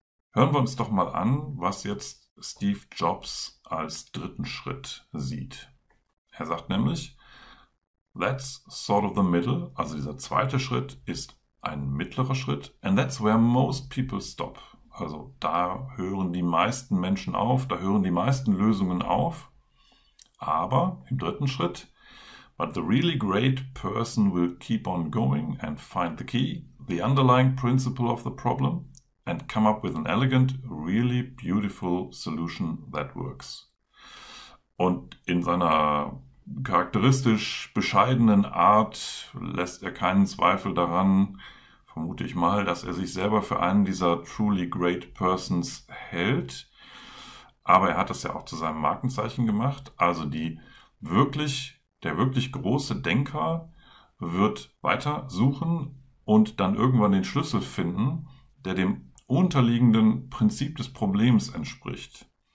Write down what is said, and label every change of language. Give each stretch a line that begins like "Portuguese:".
German: Hören wir uns doch mal an, was jetzt Steve Jobs als dritten Schritt sieht. Er sagt nämlich,
English: that's sort of the middle,
German: also dieser zweite Schritt ist ein mittlerer Schritt,
English: and that's where most people stop.
German: Also da hören die meisten Menschen auf, da hören die meisten Lösungen auf. Aber im dritten Schritt,
English: but the really great person will keep on going and find the key, the underlying principle of the problem and come up with an elegant, really beautiful solution that works.
German: Und in seiner charakteristisch bescheidenen Art lässt er keinen Zweifel daran, vermute ich mal, dass er sich selber für einen dieser
English: truly great persons
German: hält. Aber er hat das ja auch zu seinem Markenzeichen gemacht. Also der wirklich große Denker wird weiter suchen und dann irgendwann den Schlüssel finden, der dem unterliegenden Prinzip des Problems entspricht.